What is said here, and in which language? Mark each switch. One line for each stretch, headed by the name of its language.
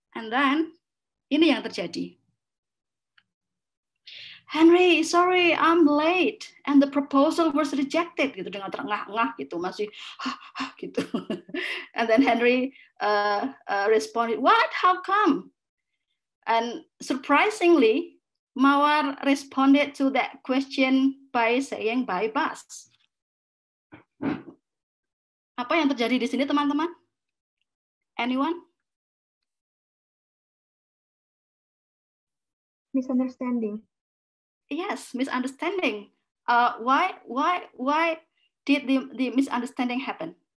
English: And then
Indonesian: ini yang terjadi.
English: Henry, sorry, I'm late, and the proposal was rejected.
Indonesian: Gitu dengan terengah-engah gitu, masih gitu.
English: And then Henry responded, "What? How come?" And surprisingly, Mawar responded to that question by saying by bus.
Indonesian: Apa yang terjadi di sini, teman-teman?
English: Anyone? Misunderstanding. Yes, misunderstanding. Why did the misunderstanding happen?